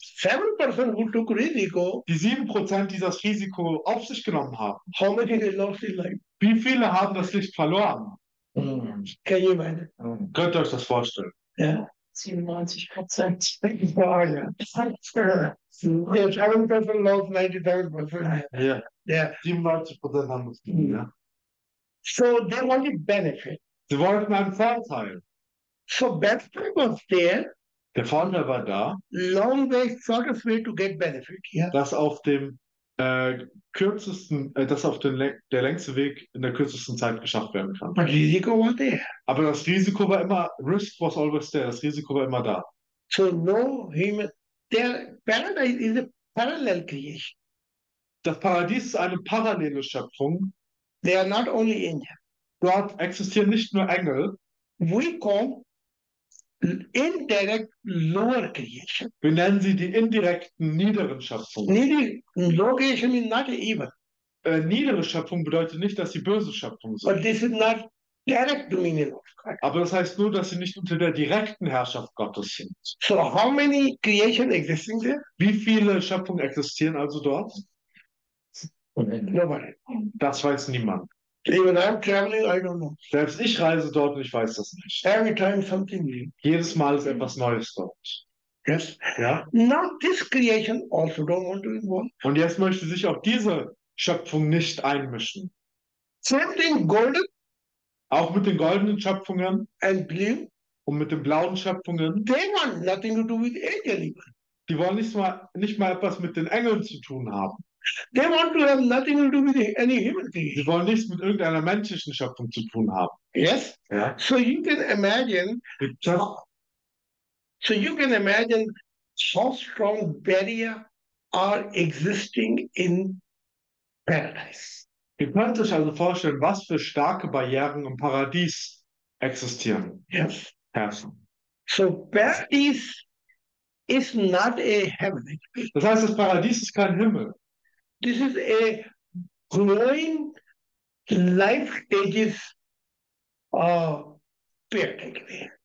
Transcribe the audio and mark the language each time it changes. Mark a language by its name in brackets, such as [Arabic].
[English] 7% who took risk. [German] Die 7%, die das Risiko auf sich genommen haben. [English] How many they lost in life? [German] Wie viele haben das Licht verloren? [English] Can you imagine? [German] Könnt ihr euch das vorstellen? Ja. 97%. [English] Ja. Yeah, 7% lost 97%. [German] Ja. 97% haben das. [English] So they want to benefit. [German] Sie wollten einen Vorteil. [English] So Bethlehem was there. [German] Der Vorteil war da. [English] Long way, shortest way to get benefit. Yeah. [German] Dass auf dem kürzesten, dass auf den der längste Weg in der kürzesten Zeit geschafft werden kann. [English] But [German] Risiko war [English] there. [German] Aber das Risiko war immer, [English] risk was always there. [German] Das Risiko war immer da. [English] So no human. [German] Der Paradies ist eine [English] parallel creation. [German] Das Paradies ist eine parallele Schöpfung. [English] They are not only angels. [German] Dort existieren nicht nur Engel. [English] We call indirect lower creation. [German] Wir nennen sie die indirekten niederen Schöpfungen. [English] Lower creation is not evil. [German] Niedere Schöpfung bedeutet nicht, dass sie böse Schöpfung sind. [English] But this is not direct dominion of God. [German] Aber das heißt nur, dass sie nicht unter der direkten Herrschaft Gottes sind. [English] So how many creation existing there? [German] Wie viele Schöpfungen existieren also dort? [English] Nobody. [German] Das weiß niemand. [English] Even I'm traveling, I don't know. [German] Selbst ich reise dort und ich weiß das nicht. [English] Every time something new. [German] Jedes Mal ist etwas Neues dort. [English] Yes. [German] Ja? [English] Now this creation also don't want to involve. [German] Und jetzt möchte sich auch diese Schöpfung nicht einmischen. [English] Same thing, golden. [German] Auch mit den goldenen Schöpfungen. [English] And blue. [German] Und mit den blauen Schöpfungen. [English] They want nothing to do with angel even. [German] Die wollen nicht mal etwas mit den Engeln zu tun haben. [English] They want to have nothing to do with any human being. [German] Sie wollen nichts mit irgendeiner menschlichen Schöpfung zu tun haben. [English] Yes. [German] Ja. [English] So you can imagine. So you can imagine how strong barrier are existing in paradise. [German] Ihr könnt euch also vorstellen, was für starke Barrieren im Paradies existieren. [English] Yes. [German] Herrschen. [English] So paradise is not a heaven. [German] Das heißt, das Paradies ist kein Himmel. [English] This is a growing life stages paradigm.